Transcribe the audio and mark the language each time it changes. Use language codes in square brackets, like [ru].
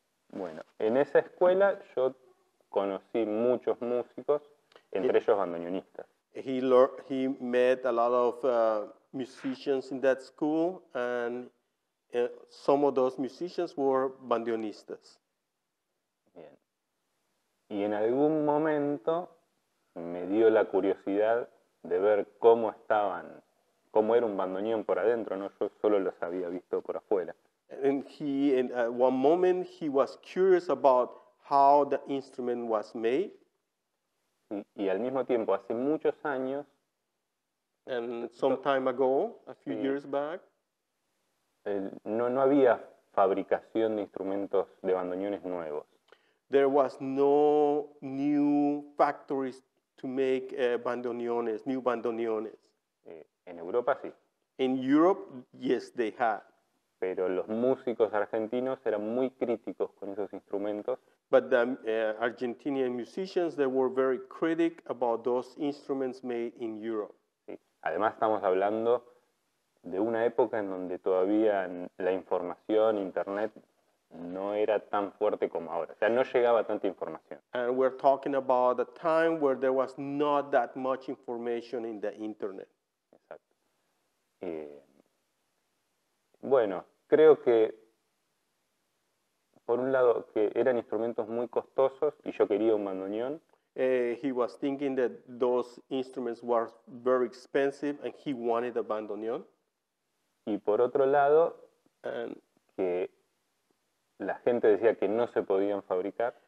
[es] Bueno, en esa escuela yo conocí muchos músicos, entre ellos bandoneonistas. [en] He met a lot of musicians in that school, and some of those musicians were bandoneonistas. [es] Bien. Y en algún momento me dio la curiosidad de ver cómo estaban, cómo era un bandoneón por adentro, ¿no? Yo solo los había visto por afuera. [en] And one moment he was curious about how the instrument was made. [es] Y al mismo tiempo, hace muchos años. [en] And some time ago, a few years back. [es] No había fabricación de instrumentos de bandoneones nuevos. [en] There was no new factories to make bandoneones, new bandoneones. [es] En Europa, sí. [en] In Europe, yes, they had. [es] Pero los músicos argentinos eran muy críticos con esos instrumentos. [en] But the Argentinian musicians, they were very critic about those instruments made in Europe. [es] Sí. Además, estamos hablando de una época en donde todavía la información, internet, no era tan fuerte como ahora. O sea, no llegaba tanta información. [en] And we're talking about a time where there was not that much information in the internet. [es] Exacto. Bueno, creo que, por un lado, que eran instrumentos muy costosos y yo quería un bandoneón. [en] He was thinking that those instruments were very expensive and he wanted a bandoneón. [es] Y por otro lado, que la gente decía que no se podían fabricar.